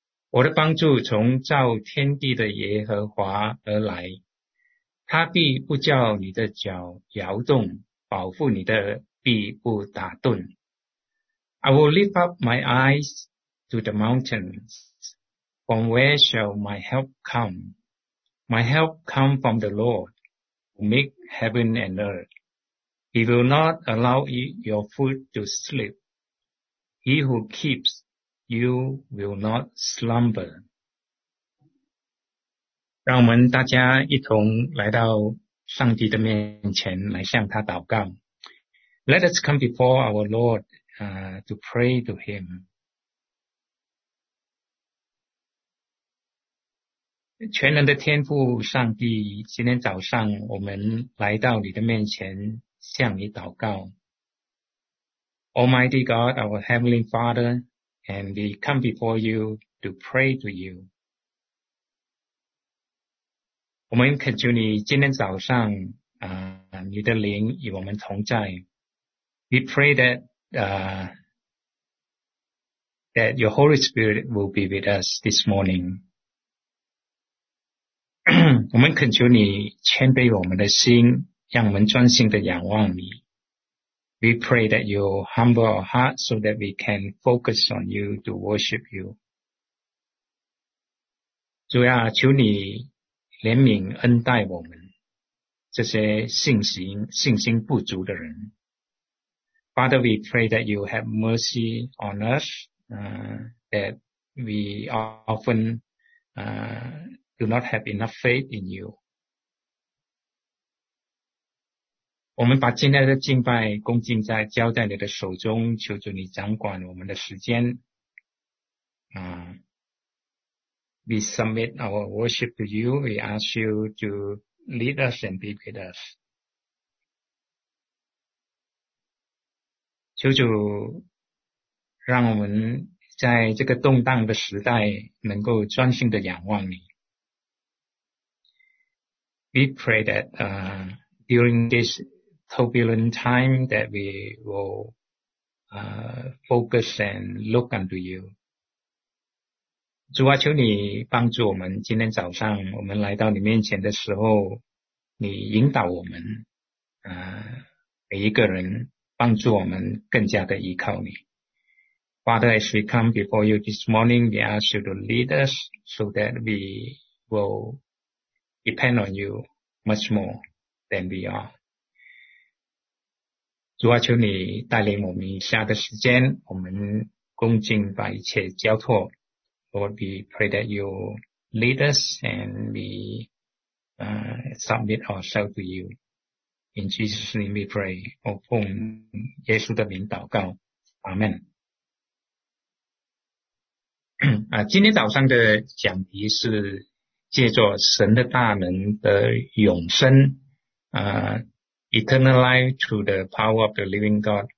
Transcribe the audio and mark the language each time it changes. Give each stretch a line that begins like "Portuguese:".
Chinese: 我的帮助从造天地的耶和华而来，他必不叫你的脚摇动，保护你的必不打盹。
English: I will lift up my eyes to the mountains. From where shall my help come? My help come from the Lord, who make heaven and earth. He will not allow your foot to slip. He who keeps you will not slumber.
Chinese: 让我们大家一同来到上帝的面前，来向他祷告。
English: Let us come before our Lord, to pray to him.
Chinese: 全能的天父上帝，今天早上我们来到你的面前向你祷告。
English: Almighty God, our Heavenly Father, and we come before you to pray to you.
Chinese: 我们恳求你今天早上，你的灵与我们同在。
English: We pray that your Holy Spirit will be with us this morning.
Chinese: 我们恳求你谦卑我们的心，让我们专心地仰望你。
English: We pray that you humble our hearts so that we can focus on you to worship you.
Chinese: 主啊，求你怜悯恩待我们这些信心不足的人。
English: Father, we pray that you have mercy on us, that we often do not have enough faith in you.
Chinese: 我们把今天的敬拜恭敬在交在你的手中，求主你掌管我们的时间。
English: We submit our worship to you. We ask you to lead us and be with us.
Chinese: 求主让我们在这个动荡的时代能够专心的仰望你。
English: We pray that during this turbulent time that we will focus and look unto you.
Chinese: 主啊，求你帮助我们，今天早上我们来到你面前的时候，你引导我们，每一个人帮助我们更加的依靠你。
English: Father, as we come before you this morning, we ask you to lead us so that we will depend on you much more than we are.
Chinese: 主啊，求你带领我们以下的时间，我们恭敬把一切交托。
English: Lord, we pray that you lead us and we submit ourselves to you. In Jesus' name we pray.
Chinese: 我奉耶稣的名祷告。
English: Amen.
Chinese: 今天早上的讲题是借着神的大能的永生
English: Eternal life through the power of the living God.